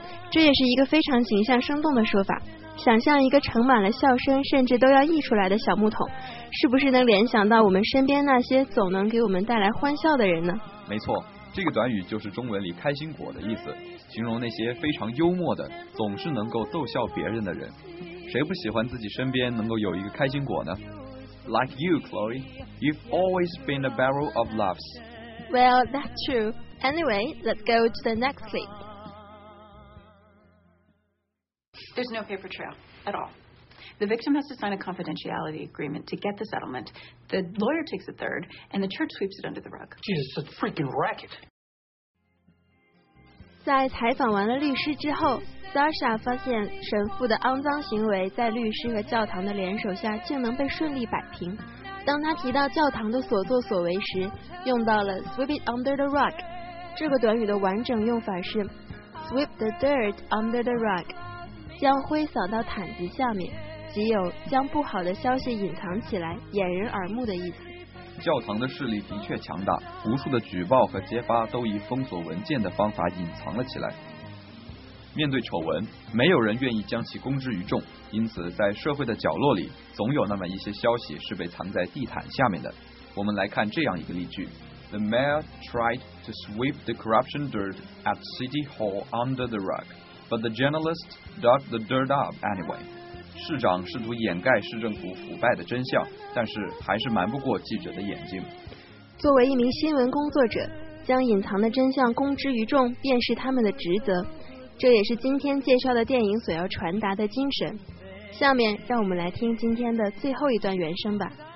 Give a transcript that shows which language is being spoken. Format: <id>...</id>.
<zh>这也是一个非常形象生动的说法，想象一个盛满了笑声甚至都要溢出来的小木桶，是不是能联想到我们身边那些总能给我们带来欢笑的人呢？没错，这个短语就是中文里开心果的意思，形容那些非常幽默的总是能够逗笑别人的人。谁不喜欢自己身边能够有一个开心果呢？</zh> <en>Like you, Chloe, you've always been a barrel of laughs. Well, that's true. Anyway, let's go to the next clip. There's no paper trail at all. The victim has to sign a confidentiality agreement to get the settlement. The lawyer takes a third, and the church sweeps it under the rug. Jesus, it's a freaking racket.</en> <zh>在采访完了律师之后， Sasha 发现神父的肮脏行为在律师和教堂的联手下竟能被顺利摆平。当他提到教堂的所作所为时，用到了 sweep it under the rug. 这个短语的完整用法是 sweep the dirt under the rug. 将灰扫到毯子下面，即有将不好的消息隐藏起来掩人耳目的意思。教堂的势力的确强大，无数的举报和揭发都以封锁文件的方法隐藏了起来。面对丑闻，没有人愿意将其公之于众，因此在社会的角落里总有那么一些消息是被藏在地毯下面的。</zh> <en>我们来看这样一个例句， The mayor tried to sweep the corruption dirt at City Hall under the rug. But the journalist dug the dirt up anyway.</en> <zh>市长试图掩盖市政府腐败的真相，但是还是瞒不过记者的眼睛。作为一名新闻工作者，将隐藏的真相公之于众便是他们的职责。这也是今天介绍的电影所要传达的精神。下面让我们来听今天的最后一段原声吧。</zh>